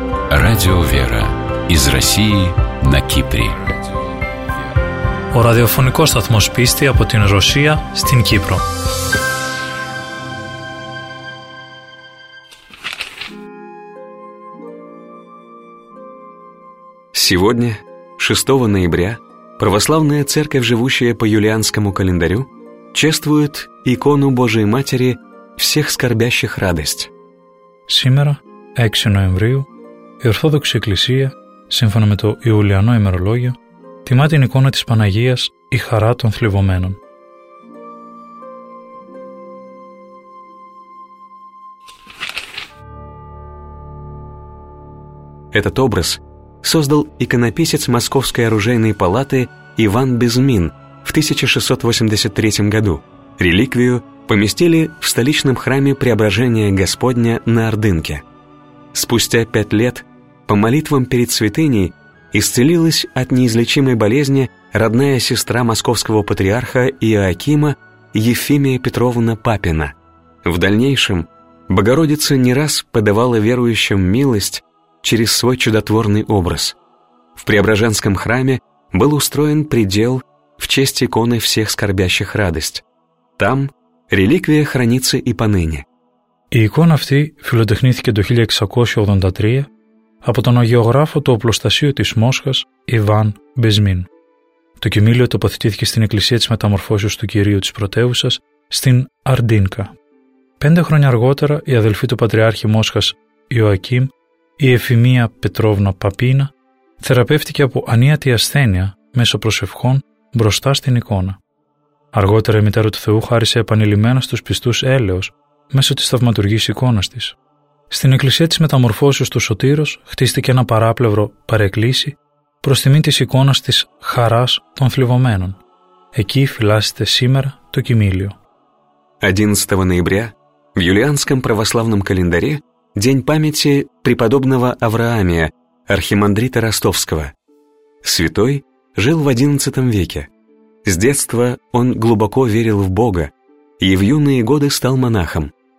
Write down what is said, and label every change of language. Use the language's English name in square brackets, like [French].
[Russian] Радио «Вера» из России на Кипре. [Greek] Ο ραδιοφωνικός σταθμός πίστη από την Ρωσία στην Κύπρο. [Russian] Сегодня, 6 ноября, православная церковь, живущая по юлианскому календарю, чествует икону Божией Матери всех скорбящих радость. Сегодня, 6 ноября, [Greek] η Ορθόδοξη Εκκλησία, σύμφωνα με το Ιουλιανό ημερολόγιο, τιμά την εικόνα της Παναγίας «Η χαρά των θλιβωμένων». [Russian] Этот образ создал иконописец Московской оружейной палаты Иван Безмин в 1683 году. Реликвию поместили в столичном храме Преображения Господня на Ордынке. Спустя 5 лет по молитвам перед святыней исцелилась от неизлечимой болезни родная сестра московского патриарха Иоакима Ефимия Петровна Папина. В дальнейшем Богородица не раз подавала верующим милость через свой чудотворный образ. В Преображенском храме был устроен предел в честь иконы всех скорбящих радость. Там реликвия хранится и поныне. [Greek] Икона эта филотехнитхике до 1683 года από τον αγιογράφο του οπλοστασίου της Μόσχας, Ιβάν Μπεσμίν. Το κειμήλιο τοποθετήθηκε στην εκκλησία της Μεταμορφώσεως του Κυρίου της Πρωτεύουσας, στην Αρντίνκα. 5 χρόνια αργότερα, η αδελφή του Πατριάρχη Μόσχας, Ιωακήμ, η Εφημία Πετρόβνα Παπίνα, θεραπεύτηκε από ανίατη ασθένεια μέσω προσευχών μπροστά στην εικόνα. Αργότερα, η Μητέρα του Θεού χάρισε επανειλημμένα στους πιστούς έλεος μέσω της θαυματουργής εικόνας της. Στην εκκλησία της Μεταμορφώσεως του Σωτήρος χτίστηκε ένα παράπλευρο παρεκκλήσι προς τιμή της εικόνας της «Χαράς των θλιβωμένων». Εκεί φυλάσσεται σήμερα το κειμήλιο. [Russian] 11 ноября в юлианском православном календаре день памяти преподобного Авраамия, архимандрита Ростовского. Святой жил в 11 веке. С детства он глубоко верил в Бога и в юные годы стал монахом.